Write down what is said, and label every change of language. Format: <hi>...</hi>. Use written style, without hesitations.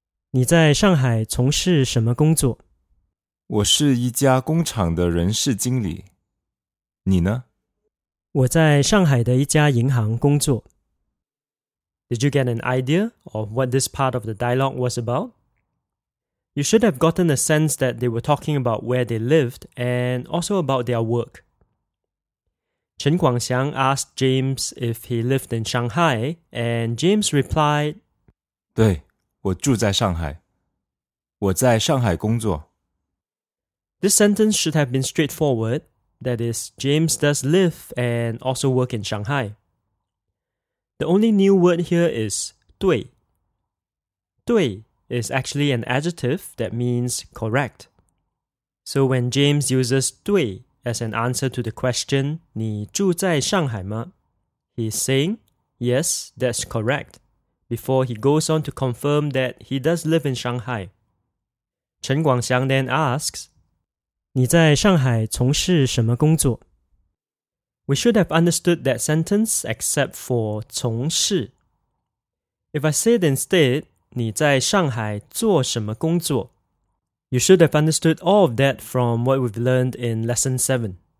<zh>你在上海从事什么工作? 我是一家工厂的人事经理。你呢? 我在上海的一家银行工作。</zh> <en>Did you get an idea of what this part of the dialogue was about? You should have gotten a sense that they were talking about where they lived and also about their work. Chen Guangxiang asked James if he lived in Shanghai, and James replied,</en> <zh>对, 我住在上海, 我在上海工作。</zh> <en>This sentence should have been straightforward, that is, James does live and also work in Shanghai. The only new word here is 对。对 is actually an adjective that means correct. So when James uses 对, as an answer to the question,</en> <zh>你住在上海吗?</zh> <en>He's saying, yes, that's correct, before he goes on to confirm that he does live in Shanghai. Chen Guangxiang then asks,</en> <zh>你在上海从事什么工作?</zh> <en>We should have understood that sentence except for 从事. If I say it instead,</en> <zh>你在上海做什么工作?</zh> <en>You should have understood all of that from what we've learned in Lesson 7.</en>